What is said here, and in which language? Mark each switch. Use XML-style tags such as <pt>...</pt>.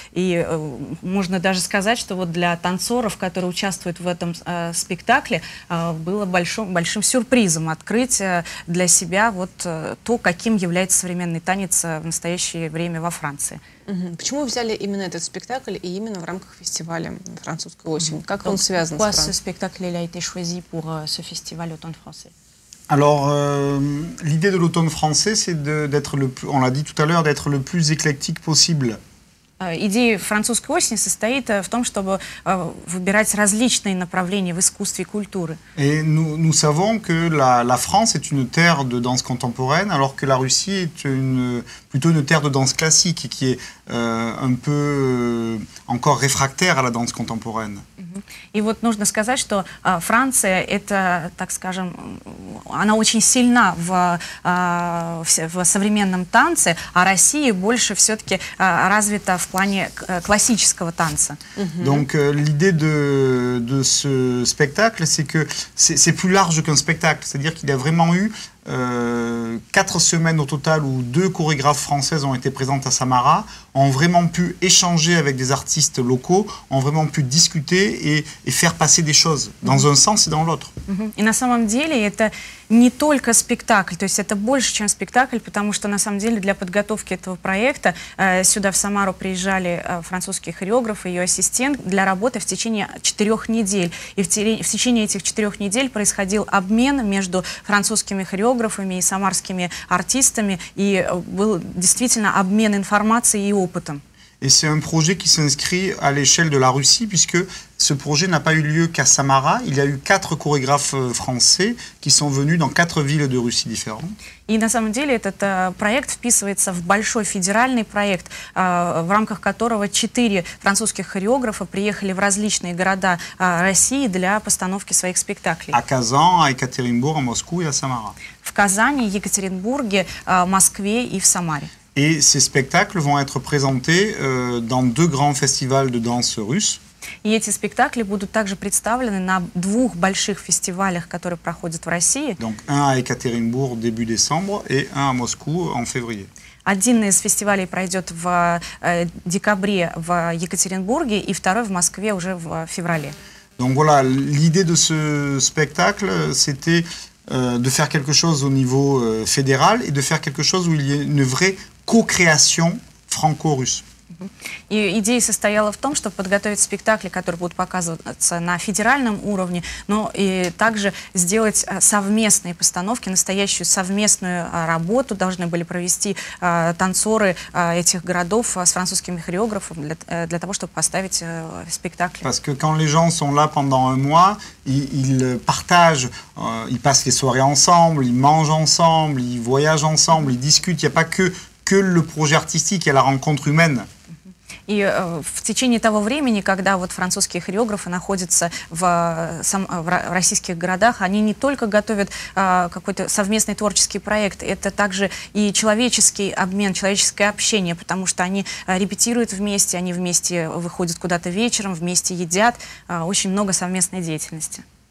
<ru>И можно даже сказать, что вот для танцоров, которые участвуют в этом спектакле, было большим сюрпризом открыть для себя вот то, каким является современный танец в настоящее время во Франции. Почему вы взяли именно этот спектакль и именно в рамках фестиваля «Французская осень»? Как он связан с Францией?</ru> <fr>Pourquoi ce spectacle a été choisi pour ce festival automne français? Alors, l'idée de l'automne français, c'est d'être le plus, on l'a dit tout à l'heure, d'être le plus éclectique possible.</fr> <ru>Идея «Французской осени» состоит в том, чтобы выбирать различные направления в искусстве и культуре.</ru> <fr>Et nous savons que la France est une terre de danse contemporaine, alors que la Russie est plutôt une terre de danse classique, qui est un peu encore réfractaires à la danse contemporaine.</fr> <ru>И вот нужно сказать, что Франция, это, так скажем, она очень сильна в современном танце, а Россия больше все-таки развита в плане классического танца.</ru> <fr>Donc l'idée de ce spectacle, c'est que c'est plus large qu'un spectacle, c'est-à-dire qu'il y a vraiment eu quatre semaines au total où deux chorégraphes françaises ont été présentes à Samara, ont vraiment pu échanger avec des artistes locaux, ont vraiment pu discuter et faire passer des choses dans un sens et dans l'autre.</fr> <ru>Et на самом деле это не только спектакль, то есть это больше, чем спектакль, потому что на самом деле для подготовки этого проекта сюда в Самару приезжали французские хореографы и ее ассистент для работы в течение 4 недель. И в течение этих 4 недель происходил обмен между французскими хореографами и самарскими артистами, и был действительно обмен информацией и опытом.</ru> <fr>Et c'est un projet qui s'inscrit à l'échelle de la Russie, puisque ce projet n'a pas eu lieu qu'à Samara. Il y a eu 4 chorégraphes français qui sont venus dans 4 villes de Russie différentes.</fr> <ru>И на самом деле этот проект вписывается в большой федеральный проект, в рамках которого 4 французских хореографа приехали в различные города России для постановки своих спектаклей.</ru> <fr>À Kazan, à Екатеринбург, à Moscou et à Samara.</fr> <ru>В Казани, Екатеринбурге, Москве и в Самаре.</ru> <fr>Et ces spectacles vont être présentés dans 2 grands festivals de danse russe.</fr> <ru>И эти спектакли будут также представлены на 2 больших фестивалях, которые проходят в России.</ru> <fr>Donc un à Екатеринбург début décembre et un à Moscou en février.</fr> <ru>Один из фестивалей пройдет в декабре в Екатеринбурге и второй в Москве уже в феврале.</ru> <fr>Donc voilà, l'idée de ce spectacle, c'était de faire quelque chose au niveau fédéral et de faire quelque chose où il y ait une vraie co-création franco-russe.</fr> <ru>И идея состояла в том, чтобы подготовить спектакли, которые будут показываться на федеральном уровне, но и также сделать совместные постановки, настоящую совместную работу должны были провести танцоры этих городов с французскими хореографами для того, чтобы поставить спектакли.</ru> <fr>Parce que quand les gens sont là pendant un mois, ils partagent, ils passent les soirées ensemble, ils mangent ensemble, ils voyagent ensemble, ils discutent, il n'y a pas que le projet artistique, il y a la rencontre humaine.</fr> <ru>И в течение того времени, когда вот французские хореографы находятся в российских городах, они не только готовят какой-то совместный творческий проект, это также и человеческий обмен, человеческое общение, потому что они репетируют вместе, они вместе выходят куда-то вечером, вместе едят, очень много совместной деятельности.</ru>